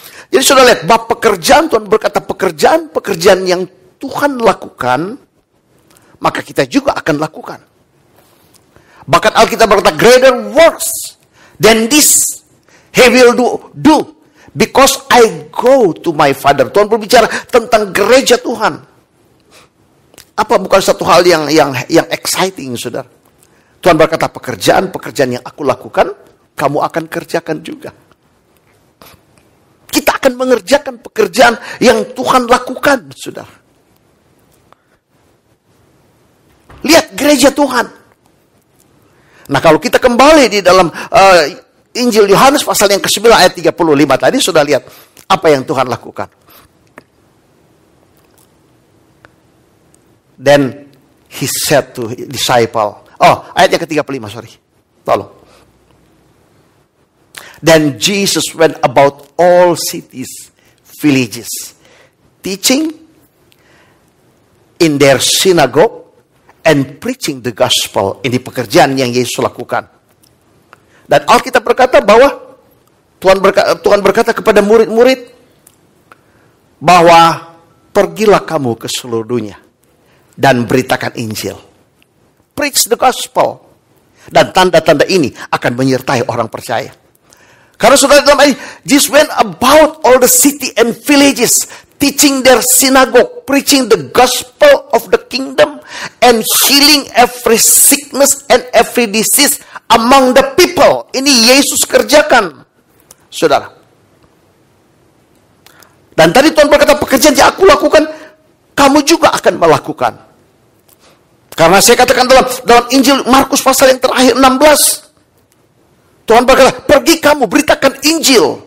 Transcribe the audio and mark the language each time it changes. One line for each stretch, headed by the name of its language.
Indonesian: Jadi sudah lihat bahwa pekerjaan, Tuhan berkata, pekerjaan-pekerjaan yang Tuhan lakukan, maka kita juga akan lakukan. Bahkan Alkitab berkata,
English: greater works than this he will do, because I go to my Father.
Indonesian: Tuhan berbicara tentang gereja Tuhan. Apa bukan satu hal yang exciting, saudara? Tuhan berkata, pekerjaan-pekerjaan yang aku lakukan, kamu akan kerjakan juga. Kita akan mengerjakan pekerjaan yang Tuhan lakukan, saudara. Lihat gereja Tuhan. Nah, kalau kita kembali di dalam Injil Yohanes pasal yang ke-9 ayat 35 tadi, sudah lihat apa yang Tuhan lakukan.
English: Then he said to disciple. Oh,
Indonesian: ayat yang ke-35,
English: sorry. Tolong. Then Jesus went about all cities, villages, teaching in their synagogue and preaching the gospel.
Indonesian: Ini pekerjaan yang Yesus lakukan. Dan Alkitab berkata bahwa Tuhan berkata kepada murid-murid bahwa pergilah kamu ke seluruh dunia dan beritakan Injil.
English: Preach the gospel.
Indonesian: Dan tanda-tanda ini akan menyertai orang percaya. Karena sudah dalam ayat,
English: Jesus went about all the city and villages, teaching their synagogue, preaching the gospel of the kingdom, and healing every sickness and every disease among the people.
Indonesian: Ini Yesus kerjakan, saudara. Dan tadi Tuhan berkata, pekerjaan yang aku lakukan, kamu juga akan melakukan. Karena saya katakan dalam Injil Markus pasal yang terakhir 16, Tuhan berkata, pergi kamu, beritakan Injil.